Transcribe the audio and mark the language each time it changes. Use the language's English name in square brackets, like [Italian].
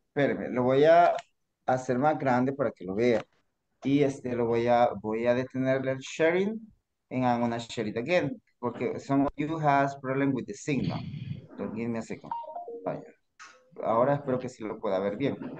[Spanish] Espérame, lo voy a hacer más grande para que lo vea. Y este lo voy a detenerle el sharing. [English] And I'm gonna share it again because some of you has problem with the signal. So give me a second. Vaya. [Spanish] Ahora espero que sí lo pueda ver bien.